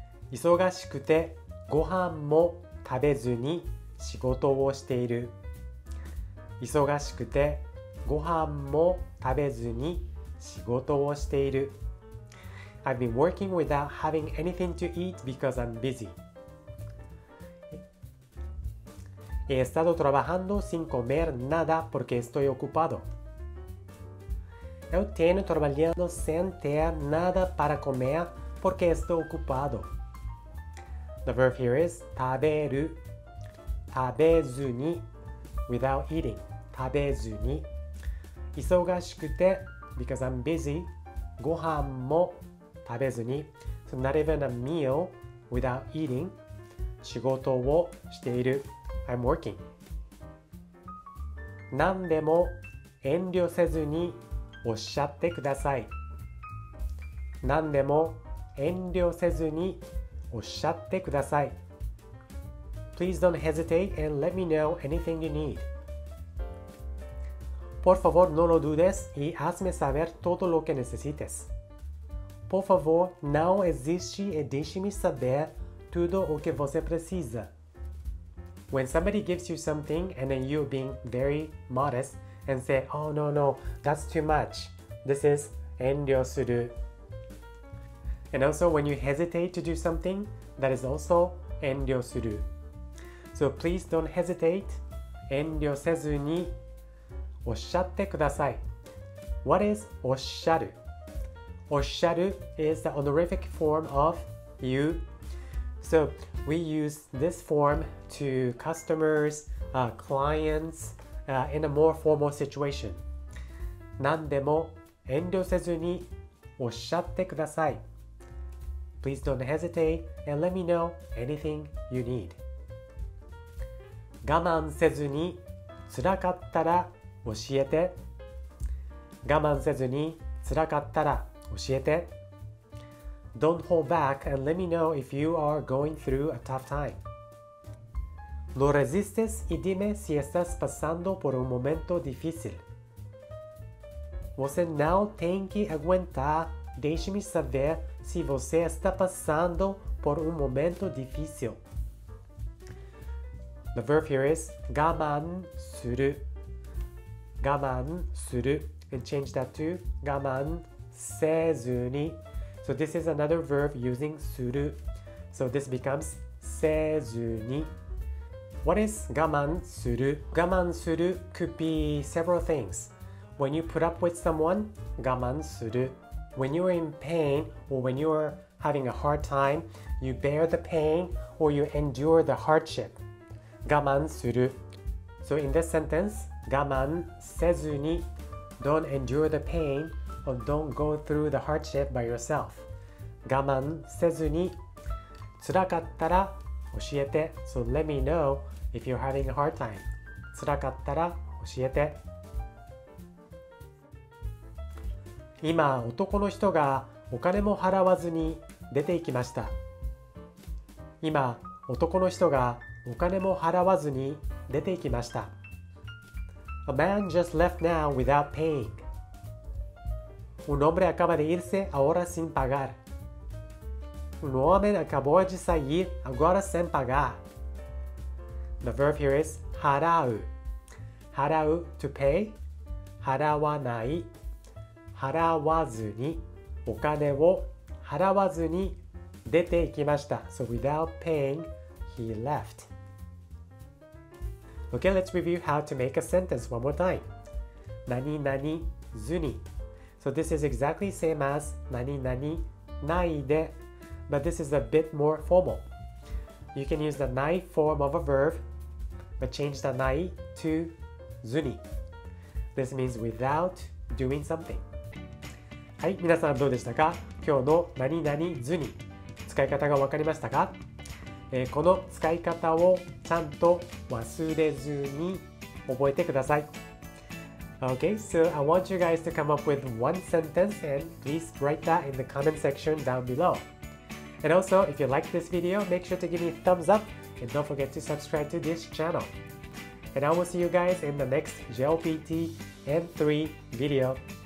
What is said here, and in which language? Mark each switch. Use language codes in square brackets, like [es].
[ja] 忙しくてご飯も食べずに仕事をしている。忙しくてご飯も食べずに仕事をしている。 [en] I've been working without having anything to eat because I'm busy. [es] He estado trabajando sin comer nada porque estoy ocupado. [pt] Eu tenho trabalhado sem ter nada para comer porque estou ocupado. [en] The verb here is 食べる, [ja] 食べずに, [en] without eating, [ja] 食べずに. 忙しくて, [en] because I'm busy, [ja] ご飯も食べずに、 [en] so not even a meal without eating. [ja] 仕事をしている。 [en] I'm working. [ja] 何でも遠慮せずにおっしゃってください。何でも遠慮せずにおっしゃってください。 [en] Please don't hesitate and let me know anything you need. [es] Por favor, no lo dudes y hazme saber todo lo que necesites. [pt] Por favor, não existe e deixe-me saber tudo o que você precisa. [en] When somebody gives you something and then you being very modest and say, oh no no, that's too much. This is 遠慮する.And also when you hesitate to do something, that is also 遠慮する. So please don't hesitate. [ja] 遠慮せずにおっしゃってください. [en] What is おっしゃる?おっしゃる is the honorific form of you. So, we use this form to customers, clients, in a more formal situation. [ja] 何でも遠慮せずにおっしゃってください。 [en] Please don't hesitate and let me know anything you need. [ja] 我慢せずにつらかったら教えて。我慢せずにつらかったら教えて。 [en] Don't hold back and let me know if you are going through a tough time. [es] Lo resistes y dime si estás pasando por un momento difícil. [pt] Você não tem que aguentar, deixe-me saber se você está passando por um momento difícil. [en] The verb here is 我慢する.我慢する. And change that to 我慢せずに. So this is another verb using する.So this becomes せずに. What is 我慢する? 我慢する could be several things. When you put up with someone, 我慢する. When you are in pain or when you are having a hard time, you bear the pain or you endure the hardship. [ja] 我慢する. [en] So in this sentence, 我慢せずに.Don't endure the pain. Or don't go through the hardship by yourself. [ja] 我慢せずに辛かったら教えて. [en] So let me know if you're having a hard time. [ja] 辛かったら教えて. 今男の人がお金も払わずに出て行きました。今男の人がお金も払わずに出て行きました。 [en] A man just left now without paying. [es] Un hombre acaba de irse ahora sin pagar. Un hombre acabó de salir ahora sin pagar. [en] The verb here is 払う. 払う to pay. [ja] 払わない.払わずに. お金を払わずに出て行きました. [en] So without paying, he left. Okay, let's review how to make a sentence one more time. [ja] 何々ずに. [en] So this is exactly same as 何々ないで, but this is a bit more formal. You can use the ない form of a verb, but change the ない to ずに. This means without doing something. [ja] はい、皆さんどうでしたか?今日の何々ずに、使い方がわかりましたか? この使い方をちゃんと忘れずに覚えてください。 [en] Okay, so I want you guys to come up with one sentence and please write that in the comment section down below. And also, if you like this video, make sure to give me a thumbs up and don't forget to subscribe to this channel. And I will see you guys in the next JLPT N3 video.